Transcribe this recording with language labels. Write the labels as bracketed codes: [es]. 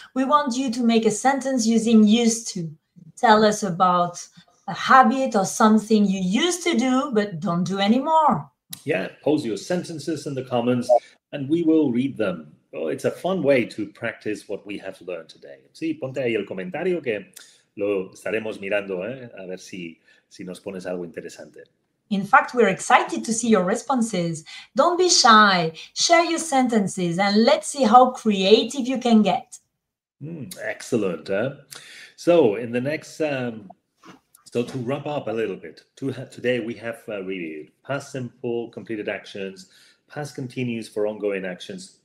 [en] We want you to make a sentence using used to. Tell us about a habit or something you used to do but don't do anymore. Yeah, post your sentences in the comments and we will read them. Oh, it's a fun way to practice what we have learned today. [es] Sí, ponte ahí el comentario que lo estaremos mirando, a ver si nos pones algo interesante. [en] In fact, we're excited to see your responses. Don't be shy. Share your sentences and let's see how creative you can get. Excellent. So in the next... So to wrap up a little bit, today we have reviewed past simple completed actions, past continuous for ongoing actions.